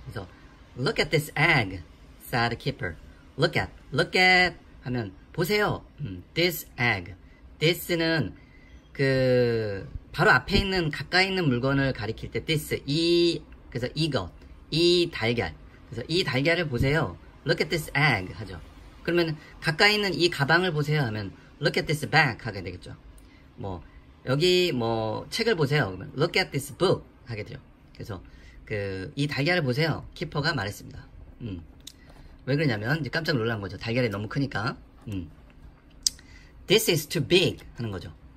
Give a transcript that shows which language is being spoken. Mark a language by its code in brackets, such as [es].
[ko] 그래서 [en] Look at this egg, said keeper. Look at [ko] 하면 보세요. [en] This egg. [ko] This는 그 바로 앞에 있는 가까이 있는 물건을 가리킬 때 this 이 그래서 이것 이 달걀. 그래서 이 달걀을 보세요. [en] Look at this egg [ko] 하죠. 그러면 가까이 있는 이 가방을 보세요 하면 [en] Look at this bag [ko] 하게 되겠죠. 뭐 여기 뭐 책을 보세요. 그러면 [en] Look at this book [ko] 하게 되죠. 그래서 그이 달걀을 보세요. 키퍼가 말했습니다. 왜 그러냐면 이제 깜짝 놀란 거죠. 달걀이 너무 크니까. [en] This is too big [ko] 하는 거죠.